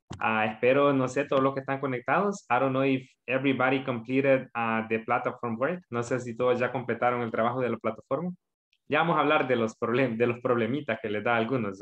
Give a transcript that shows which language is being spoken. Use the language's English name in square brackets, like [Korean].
[Spanish] Espero, no sé, todos los que están conectados. [English] I don't know if everybody completed the platform work. [Spanish] No sé si todos ya completaron el trabajo de la plataforma. Ya vamos a hablar de los problemitas que les da a algunos.